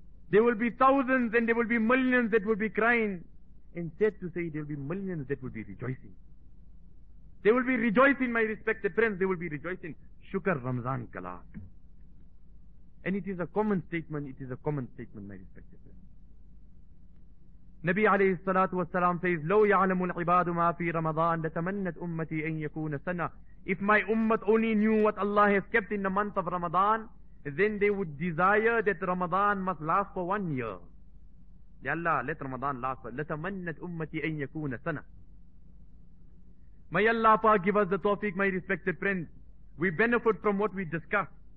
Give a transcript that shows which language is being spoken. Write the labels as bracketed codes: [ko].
[en] There will be thousands and there will be millions that will be crying. Instead to say, there will be millions that will be rejoicing. They will be rejoicing, my respected friends. They will be rejoicing. Shukar Ramadan Kala. And it is a common statement. It is a common statement, my respected friends. Nabi alayhi salatu wa salam says, [ar] لو يعلم العباد ما في رمضان لتمنت أمتي أن يكون سنة. [en] If my ummah only knew what Allah has kept in the month of Ramadan, then they would desire that Ramadan must last for 1 year. Ya Allah, let Ramadan last. [ar] لتمنت أمتي أن يكون سنة. [en] May Allah Pa give us the tawfiq, my respected friends. We benefit from what we discuss.